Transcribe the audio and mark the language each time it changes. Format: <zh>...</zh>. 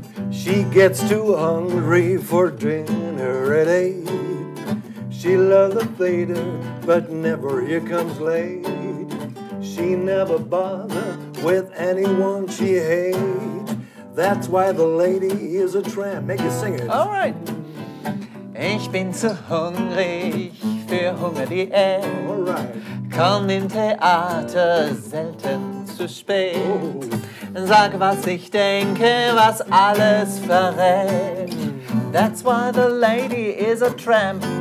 <en>She gets too hungry for dinner at 8. She loves the theater, but never here comes late. She never bothers with anyone she hates. That's why the lady is a tramp. Make you sing it. All right.</en> <de>Ich bin zu hungrig für Hunger-Diät.</de> <en>All right.</en> <de>Komm im Theater selten zu spät. Sag, was ich denke, was alles verrät.</de> <en>That's why the lady is a tramp.</en>